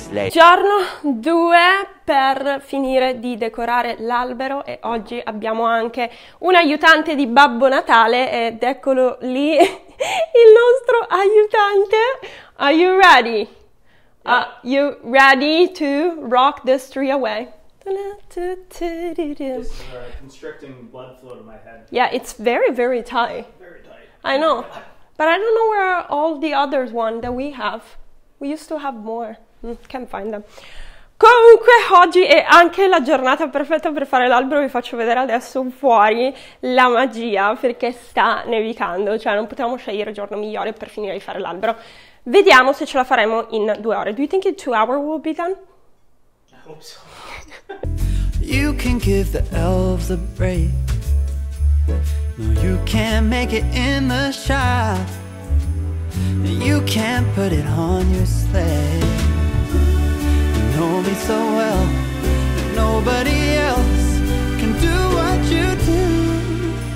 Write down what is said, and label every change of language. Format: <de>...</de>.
<it>Giorno 2 per finire di decorare l'albero e oggi abbiamo anche un aiutante di Babbo Natale ed eccolo lì il nostro aiutante.</it> <en>Are you ready? Yeah. Are you ready to rock this tree away? This is constricting blood flow to my head. Yeah, it's very, very tight. Very tight. I know, but I don't know where are all the others one that we have. We used to have more. Can't find them.</en> <it>Comunque, oggi è anche la giornata perfetta per fare l'albero. Vi faccio vedere adesso fuori la magia perché sta nevicando, cioè non potevamo scegliere il giorno migliore per finire di fare l'albero. Vediamo se ce la faremo in 2 ore.</it> <en>Do you think in 2 hours will be done? Hope so. You can give the elves a break. No, you can't make it in the shop. You can't put it on your sleigh. You know me so well that nobody else can do what you do.</en>